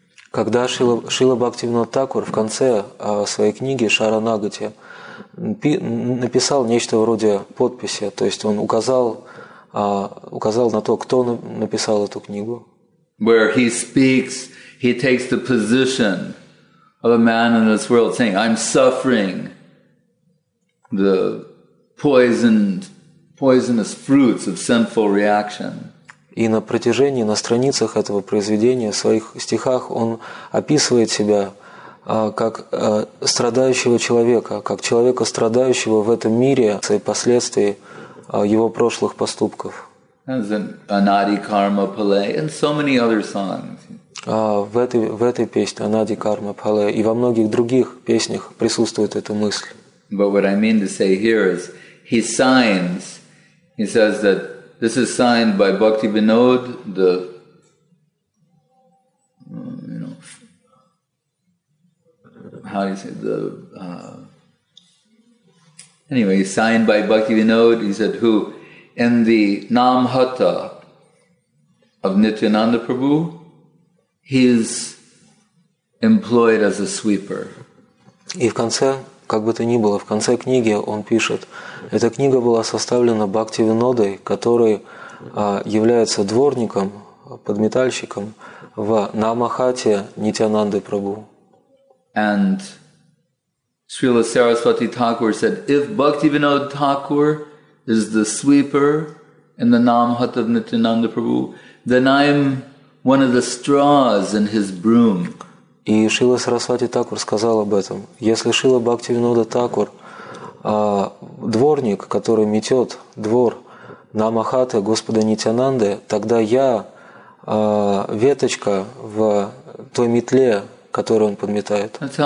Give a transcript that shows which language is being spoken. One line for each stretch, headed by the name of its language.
Russian: Когда Шрила Бхактивинода Тхакур в конце своей книги «Шаранагати» написал нечто вроде подписи, то есть он указал на то, кто написал эту книгу.
English: Where he speaks, he takes the position of a man in this world saying, I'm suffering the poisonous fruits of sinful reaction.
Russian: И на протяжении, на страницах этого произведения, в своих стихах, он описывает себя как страдающего человека, как человека, страдающего в этом мире за последствия его прошлых поступков.
English: Anadi Karma Pale, and so many other songs.
Russian: В этой песне Anadi Karma Pale и во многих других песнях присутствует эта мысль.
English: But what I mean to say here is, he says that this is signed by Bhaktivinoda, the signed by Bhaktivinoda. He said who, in the Namhata of Nityananda Prabhu, he's employed as a sweeper.
Russian: И в конце, как бы то ни было, в конце книги он пишет. Эта книга была составлена Бхактивинодой, который является дворником, подметальщиком в Намахате Нитянанды Прабху.
English: And Srila Saraswati Thakur said, if Bhaktivinoda Thakur is the sweeper in the Namahat of Nityananda Prabhu, then I'm one of the straws in his broom.
Russian: И Шрила Сарасвати Такур сказал об этом. Если Шрила Бхактивинода Такур дворник, который метет двор Намахаты Господа Нитянанды, тогда я веточка в той метле, которую он подметает.